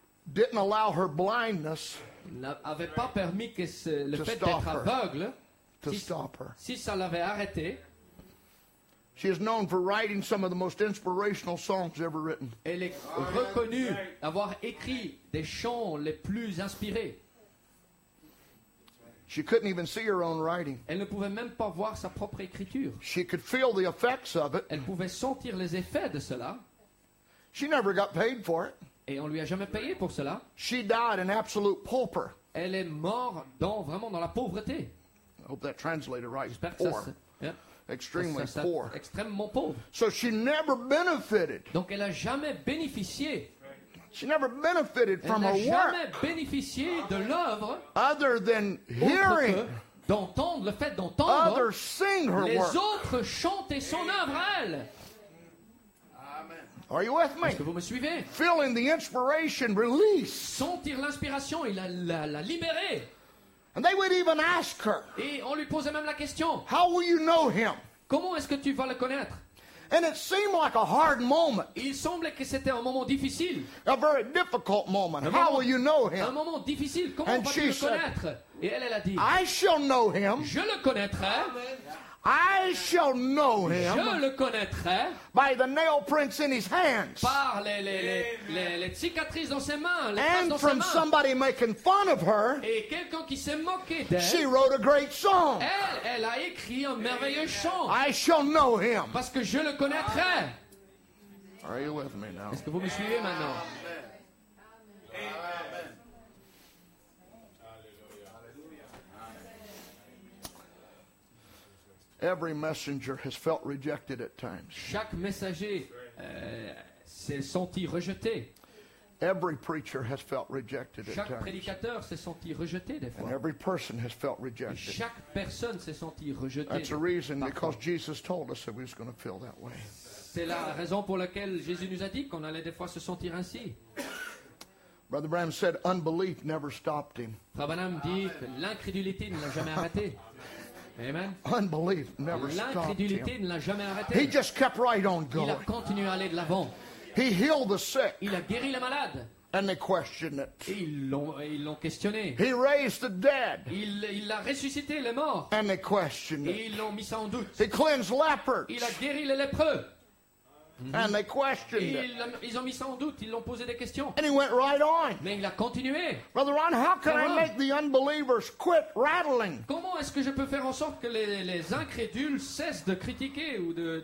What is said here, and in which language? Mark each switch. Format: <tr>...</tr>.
<en>didn't allow her blindness.</en> <fr>N'avait pas permis que ce, le fait d'être aveugle si ça l'avait arrêté.</fr> <en>She is known for writing some of the most inspirational songs ever written.</en> <fr>Elle est reconnue d'avoir écrit des chants les plus inspirés.</fr> <en>She couldn't even see her own writing.</en> <fr>Elle ne pouvait même pas voir sa propre écriture.</fr> <en>She could feel the effects of it.</en> <fr>Elle pouvait sentir les effets de cela.</fr> <en>She never got paid for it.</en> <fr>Et on lui a jamais payé pour cela.</fr> <en>She died an absolute pauper.</en> <fr>Elle est morte dans vraiment dans la pauvreté.</fr> <en>I hope that translated right.</en> <fr>J'espère</fr> <en>poor.</en> <fr>Que ça,</fr> <en>yeah. Extremely</en> <fr>ça,</fr> <en>poor.</en> <fr>Extrêmement pauvre.</fr> <en>So she never benefited.</en> <fr>Donc elle a jamais bénéficié.</fr> <en>She never benefited</en> <fr>elle</fr> <en>from her</en> <fr>jamais</fr> <en>work.</en> <fr>Jamais bénéficié de l'œuvre.</fr> <en>Other than hearing.</en> <fr>D'entendre le fait d'entendre.</fr> <en>Other sing her</en> <fr>les</fr> <en>work.</en> <fr>Les autres chanter son œuvre à elle.</fr> <en>Are you with me?</en> <fr>Est-ce que vous me suivez?</fr> <en>Feeling the inspiration release.</en> <fr>Sentir l'inspiration et la libérer.</fr> <en>And they would even ask her.</en> <fr>Et on lui posait même la question.</fr> <en>How will you know him?</en> <fr>Comment est-ce que tu vas le connaître?</fr> <en>And it seemed like a hard moment.</en> <fr>Il semblait que c'était un moment difficile.</fr> <en>A very difficult moment. How will you know him?</en> <fr>Un moment difficile. Comment</fr> <en>And</en> <fr>vas-tu le connaître?</fr> <en>Said,</en> <fr>et elle a dit.</fr> <en>I shall know him.</en> <fr>Je le connaîtrai.</fr> <en>Amen. I shall know him</en> <fr>Je le connaîtrai</fr> <en>by the nail prints in his hands.</en> <fr>Par les cicatrices dans ses mains, les</fr> <en>And</en> <fr>dans</fr> <en>from</en> <fr>ses mains.</fr> <en>Somebody making fun of her,</en> <fr>Et quelqu'un qui s'est moqué d'elle,</fr> <en>she wrote a great song.</en> <fr>Elle a écrit un merveilleux chant.</fr> <en>I shall know him.</en> <fr>Parce que je le connaîtrai.</fr> <en>Are you with me now?</en> <fr>Est-ce que vous me suivez maintenant?</fr> <en>Every messenger has felt rejected at times.</en> <fr>Chaque messager s'est senti rejeté.</fr> <en>Every preacher has felt rejected</en> <fr>Chaque</fr> <en>at times.</en> <fr>Chaque prédicateur s'est senti rejeté des fois.</fr> <en>And every person has felt rejected.</en> <fr>Chaque personne s'est senti rejeté.</fr> <en>That's the reason because Jesus told us that we was going to feel that way.</en> <fr>C'est la raison pour laquelle Jésus nous a dit qu'on allait des fois se sentir ainsi.</fr> <en>Brother Branham said unbelief never stopped him.</en> <fr>Frère Branham dit que l'incrédulité ne l'a jamais arrêté.</fr> <en>Amen. Unbelief never</en> <fr>L'incrédulité</fr> <en>stopped him.</en> <fr>Ne l'a jamais arrêté.</fr> <en>He just kept right on going.</en> <fr>Il a continué à aller de l'avant.</fr> <en>He healed the sick.</en> <fr>Il a guéri les malades.</fr> <en>And they questioned it.</en> <fr>Ils l'ont questionné.</fr> <en>He raised the dead.</en> <fr>Il a ressuscité les morts.</fr> <en>And they questioned</en> <fr>Et ils l'ont mis ça en doute.</fr> <en>He cleansed lepers.</en> <fr>Il a guéri les lépreux.</fr> <en>Mm-hmm. And they questioned</en> <fr>et il, ils ont mis ça en doute, ils l'ont posé des questions.</fr> <en>And he went right on.</en> <fr>Mais il a continué.</fr> <en>Brother Ron, how can I make the unbelievers quit rattling?</en> <fr>Comment est-ce que je peux faire en sorte que les incrédules cessent de critiquer ou de</fr>